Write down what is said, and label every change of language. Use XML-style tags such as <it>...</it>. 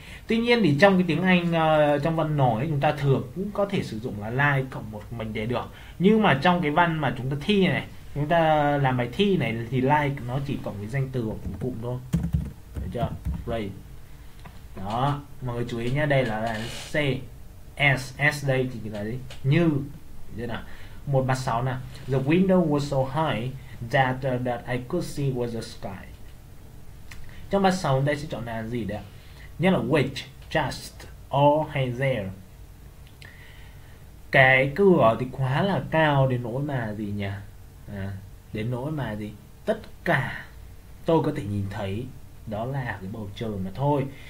<vi>Tuy nhiên thì trong cái tiếng Anh, trong văn nói chúng ta thường cũng có thể sử dụng là like cộng một mệnh đề được. Nhưng mà trong cái văn mà chúng ta thi này, chúng ta làm bài thi này thì like nó chỉ cộng với danh từ hoặc cụm thôi. Được chưa? Rồi. Đó, mọi người chú ý nhé, đây là C, S, S đây thì là gì? Như. Thế nào? 136 nè.</vi> <en>The window was so high that that I could see was the sky.</en> <vi>Trong 36 đây sẽ chọn là gì đấy ạ? Nghĩa là which, just, or, hay there. Cái cửa thì quá là cao đến nỗi mà gì nhỉ? Đến nỗi mà gì? Tất cả tôi có thể nhìn thấy đó là cái bầu trời mà thôi.</vi>